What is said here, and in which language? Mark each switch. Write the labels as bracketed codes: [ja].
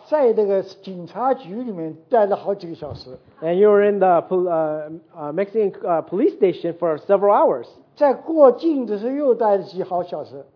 [zh] 在那个警察局里面待了好几个小时。 [en] And you were in the Mexican police station for several hours. [zh] 在过境的时候又待了几好小时。